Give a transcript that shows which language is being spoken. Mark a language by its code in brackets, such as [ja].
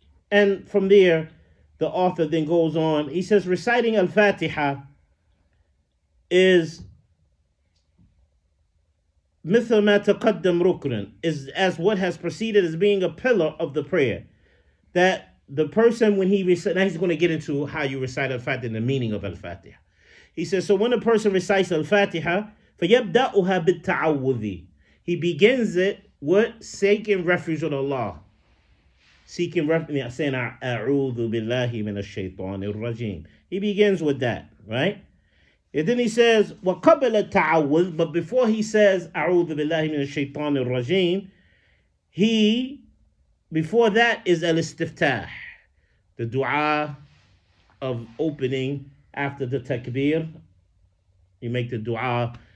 [en] And from there, the author then goes on, he says, reciting Al-Fatiha is [ar] مثل ما تقدم ركن, [en] is as what has preceded as being a pillar of the prayer. That the person, when he recites, now he's going to get into how you recite Al-Fatiha and the meaning of Al-Fatiha. He says, so when a person recites Al-Fatiha, [ar] فَيَبْدَأُهَا بِالتَّعَوُّذِ, [en] he begins it with seeking refuge with Allah. Seeking refuge, saying, [ar] أَعُوذُ بِاللَّهِ مِنَ الشَّيْطَانِ الرَّجِيمِ. [en] He begins with that, right? And then he says, [ar] وَقَبْلَ التَّعَوُّذِ, [en] but before he says, [ar] أَعُوذُ بِاللَّهِ مِنَ الشَّيْطَانِ الرَّجِيمِ, [en] he, before that is الاستفتاح, the dua of opening after the takbir. You make the dua.